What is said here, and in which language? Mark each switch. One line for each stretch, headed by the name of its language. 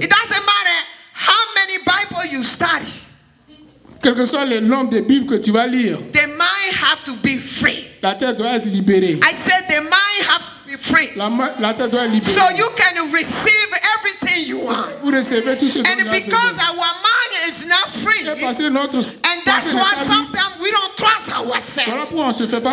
English: It doesn't matter how many Bible you study.
French: Quel que soit le nombre de Bibles que tu vas lire.
English: The mind have to be free.
French: La tête doit être libérée.
English: I said the mind have to be free.
French: La tête doit être libérée.
English: So you can receive everything you want.
French: Vous recevez tout ce vous
English: voulez. And because our mind is not free.
French: C'est parce que notre
English: and that's why sometimes we don't trust ourselves.
French: Voilà pourquoi on se fait pas